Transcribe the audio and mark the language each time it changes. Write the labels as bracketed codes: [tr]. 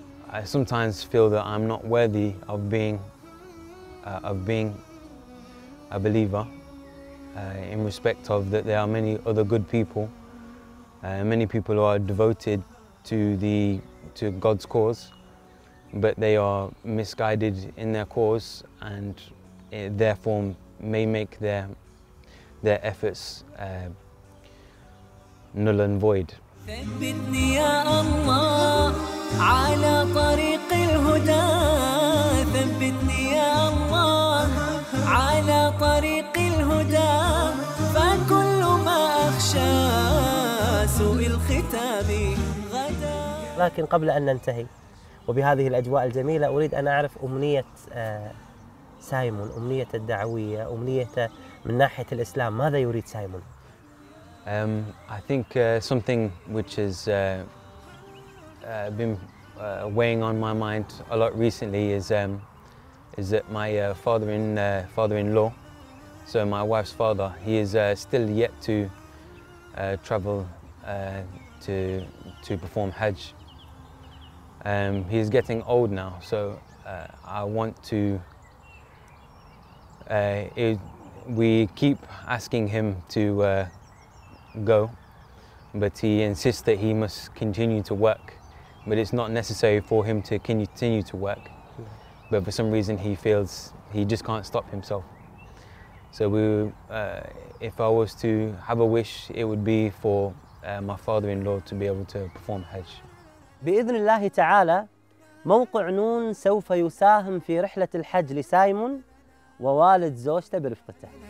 [en] I sometimes feel that I'm not worthy of being a believer in respect of that there are many other good people, many people who are devoted to God's cause, but they are misguided in their cause and it therefore may make their efforts null and void. [ar] ثبتني يا الله على طريق الهدى ثبتني يا الله على طريق الهدى فكل ما أخشى سوء الختام غدا. لكن قبل أن ننتهي وبهذه الأجواء الجميلة أريد أن أعرف أمنية سايمون, أمنية الدعوية, أمنية من ناحية الإسلام, ماذا يريد سايمون؟ [en] I think something which has been weighing on my mind a lot recently is that my father-in-law, so my wife's father, he is still yet to travel to perform Hajj. He is getting old now, so I want to. We keep asking him to. Go, but he insists that he must continue to work, but it's not necessary for him to continue to work, but for some reason he feels he just can't stop himself. So we, if I was to have a wish, it would be for my father-in-law to be able to perform Hajj. [ar] بإذن الله تعالى موقع نون سوف يساهم في رحلة الحج لسايمون ووالد زوجته برفقته.